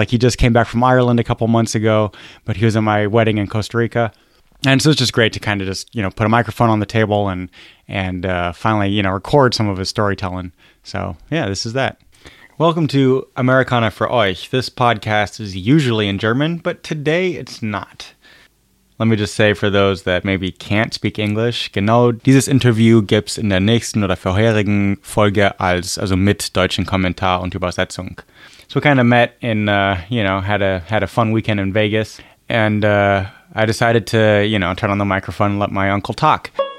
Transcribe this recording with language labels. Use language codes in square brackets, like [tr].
[en] Like, he just came back from Ireland a couple months ago, but he was at my wedding in Costa Rica. And so it's just great to kind of just, you know, put a microphone on the table and finally, you know, record some of his storytelling. So yeah, this is that. Welcome to Americana [de] für euch. [en] This podcast is usually in German, but today it's not. Let me just say, for those that maybe can't speak English, [de] genau dieses Interview gibt's in der nächsten oder vorherigen Folge als, also mit deutschen Kommentar und Übersetzung. [en] So we kind of met in, you know, had a fun weekend in Vegas, and I decided to, you know, turn on the microphone and let my uncle talk.